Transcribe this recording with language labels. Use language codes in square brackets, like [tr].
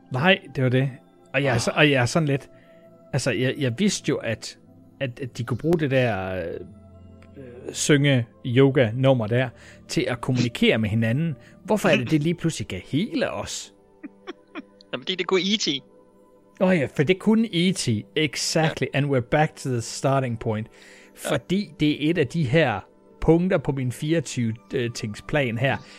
[da] Nej, det var det. Og jeg er sådan lidt, altså jeg vidste jo, at de kunne bruge det der synge yoga nummer der til at kommunikere med hinanden. Hvorfor er det lige pludselig gav hele os? Jamen det kunne E.T. Ja, for det kunne E.T. [en] Exactly, and we're back to the starting point. [da] Fordi det er et af de her punkter på min 24-tings plan her.